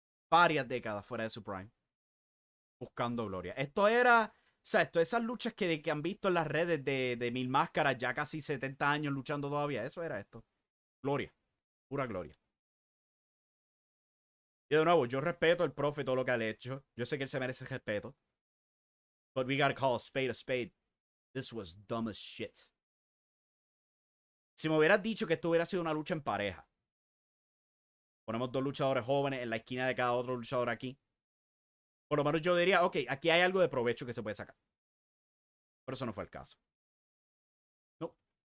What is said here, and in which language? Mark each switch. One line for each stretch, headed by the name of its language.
Spanish: Varias décadas fuera de su prime. Buscando gloria. Esto era... O sea, todas esas luchas que han visto en las redes de Mil Máscaras, ya casi 70 años luchando todavía, eso era esto. Gloria, pura gloria. Y de nuevo, yo respeto al profe todo lo que ha hecho. Yo sé que él se merece respeto.
English: But we gotta call a spade, this was dumb as shit.
Spanish: Si me hubieras dicho que esto hubiera sido una lucha en pareja, ponemos dos luchadores jóvenes en la esquina de cada otro luchador aquí, por lo menos yo diría, ok, aquí hay algo de provecho que se puede sacar. Pero eso no fue el caso. No.